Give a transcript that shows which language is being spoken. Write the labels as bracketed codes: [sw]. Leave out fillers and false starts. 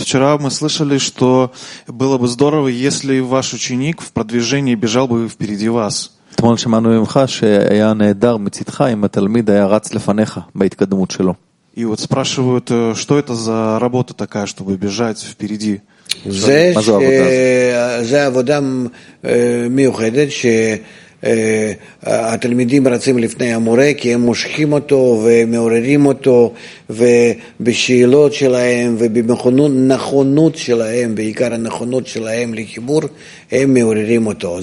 [ru] Вчера мы слышали, что было бы здорово, если ваш ученик в продвижении бежал бы впереди вас. [he] אתמול שמענו ממך שהיה נהדר מצדך אם התלמיד היה רץ לפניך בהתקדמות שלו. [ru] И вот спрашивают, что это за работа такая, чтобы бежать впереди? [he] זה עבודה מיוחדת שהתלמידים רצים לפני המורה כי הם מושכים אותו ומעוררים אותו ובשאלות שלהם ובנכונות שלהם, בעיקר הנכונות שלהם לחיבור, הם מעוררים אותו.